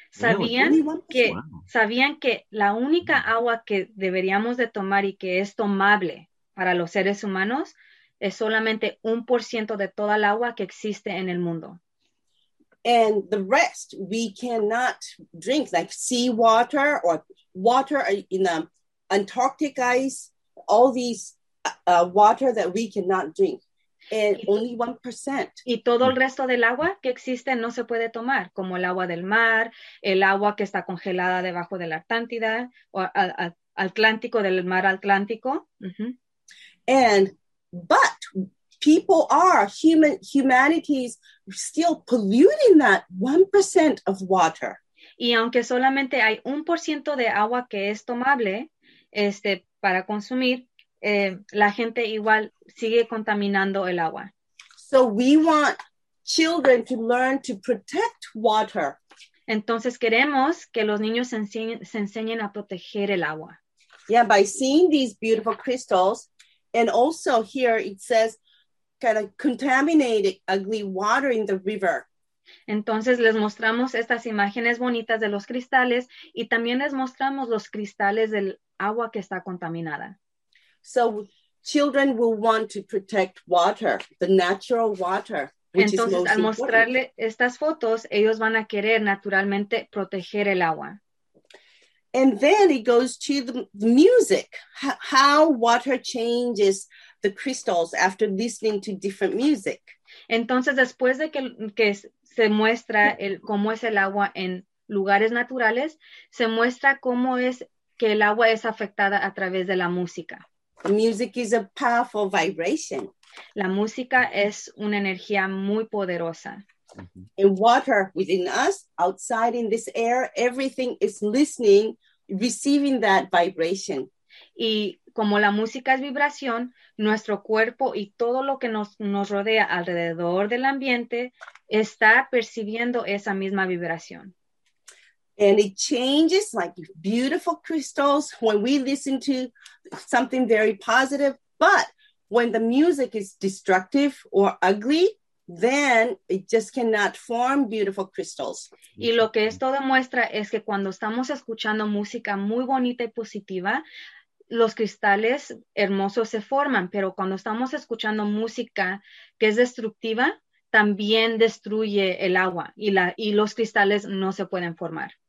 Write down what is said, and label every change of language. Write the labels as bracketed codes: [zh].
[es] Sabían que la única agua que deberíamos de tomar y que es tomable para los seres humanos es solamente 1% de toda el agua que existe en el mundo. [en] And the rest, we cannot drink, like seawater or water in the Antarctic ice, all these water that we cannot drink. And only 1%. [es] Y todo el resto del agua que existe no se puede tomar, como el agua del mar, el agua que está congelada debajo de la Antártida, o Atlántico, del mar Atlántico. Uh-huh. [en] And, but people are, humanity is still polluting that 1% of water. [es] Y aunque solamente hay 1% de agua que es tomable, para consumir, la gente igual sigue contaminando el agua. [en] So we want children to learn to protect water. [es] Entonces queremos que los niños se enseñen a proteger el agua. [en] Yeah, by seeing these beautiful crystals, and also here it says, kind of contaminated, ugly water in the river. [es] Entonces les mostramos estas imágenes bonitas de los cristales y también les mostramos los cristales del agua que está contaminada. [en] So children will want to protect water, the natural water, which [es] Entonces, [en] is most important. [es] Entonces al mostrarle estas fotos, ellos van a querer naturalmente proteger el agua. [en] And then it goes to the music, how water changes the crystals after listening to different music. [es] Entonces después de que se muestra cómo es el agua en lugares naturales, se muestra cómo es que el agua es afectada a través de la música. [en] Music is a powerful vibration. [es] La música es una energía muy poderosa. Mm-hmm. [en] And water within us, outside in this air, everything is listening, receiving that vibration. [es] Y como la música es vibración, nuestro cuerpo y todo lo que nos rodea alrededor del ambiente está percibiendo esa misma vibración. [en] And it changes like beautiful crystals when we listen to something very positive, but when the music is destructive or ugly, then it just cannot form beautiful crystals. [es] Y lo que esto demuestra es que cuando estamos escuchando música muy bonita y positiva, los cristales hermosos se forman, pero cuando estamos escuchando música que es destructiva, también destruye el agua y los cristales no se pueden formar.